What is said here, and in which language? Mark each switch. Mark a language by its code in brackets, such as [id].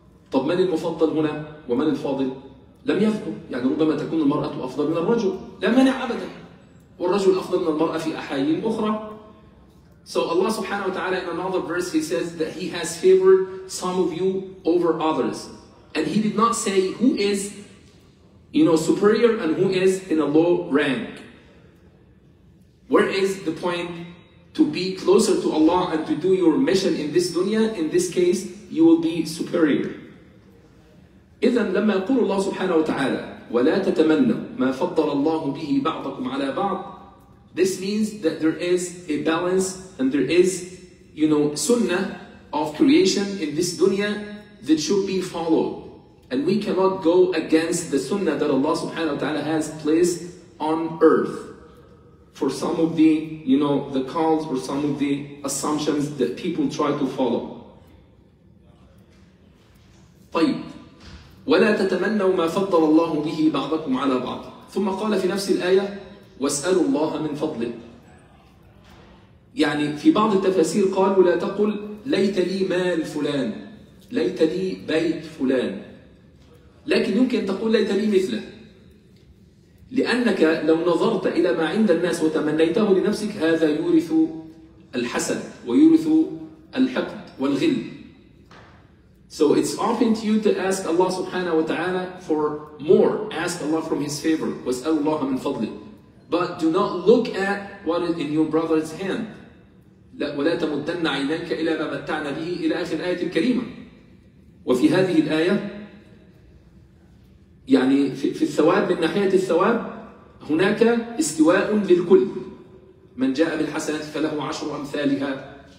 [ar] طب من المفضل هنا ومن الفاضل؟ لم يذكر، يعني ربما تكون المرأة أفضل من الرجل، لا مانع أبدا، والرجل أفضل من المرأة في أحايين أخرى. [en] So Allah subhanahu wa ta'ala in another verse He says that He has favored some of you over others. And He did not say who is, you know, superior and who is in a low rank. Where is the point to be closer to Allah and to do your mission in this dunya? In this case, you will be superior. [ar] إذن لما يقول الله سبحانه وتعالى ولا تتمنوا ما فضل الله به بعضكم على بعض, [en] this means that there is a balance and there is, you know, sunnah of creation in this dunya that should be followed, and we cannot go against the sunnah that Allah subhanahu wa ta'ala has placed on earth for some of the, you know, the calls or some of the assumptions that people try to follow. [ar] طيب ولا تتمنوا ما فضل الله به بعضكم على بعض ثم قال في نفس الآية واسألوا الله من فضله. يعني في بعض التفاسير قالوا لا تقل ليت لي مال فلان, ليت لي بيت فلان, لكن يمكن تقول ليت لي مثله, لأنك لو نظرت إلى ما عند الناس وتمنيته لنفسك هذا يورث الحسد ويورث الحقد والغل. [en] So it's often to you to ask Allah subhanahu wa ta'ala for more. Ask Allah from His favor. [ar] وَاسْأَلُ اللَّهَ مِنْ فَضْلِهِ. [en] But do not look at what is in your brother's hand. [ar] وَلَا تَمُدَّنَّ عَيْنَيْكَ إِلَى مَا مَتَّعْنَا بِهِ إِلَى آخر الآية الكريمة. وفي هذه الآية يعني في الثواب, من ناحية الثواب هناك استواء للكل. من جاء بالحسنة فله عشر أمثالها.